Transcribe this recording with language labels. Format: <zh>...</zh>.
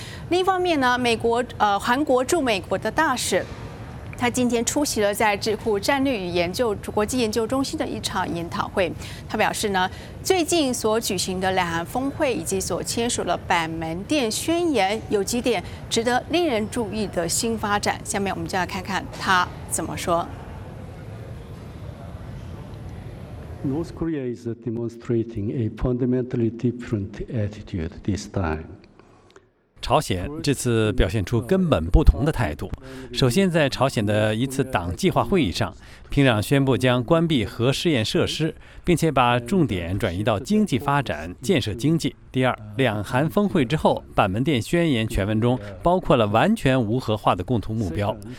<zh>另一方面呢，美国韩国驻美国的大使，他今天出席了在智库战略与研究国际研究中心的一场研讨会。他表示呢，最近所举行的两韩峰会以及所签署的板门店宣言有几点值得令人注意的新发展。下面我们就来看看他怎么说。</zh> <en>North Korea is demonstrating a fundamentally different attitude this time.</en> <zh>朝鲜这次表现出根本不同的态度。首先，在朝鲜的一次党计划会议上，平壤宣布将关闭核试验设施，并且把重点转移到经济发展、建设经济。第二，两韩峰会之后，板门店宣言全文中包括了完全无核化的共同目标。</zh>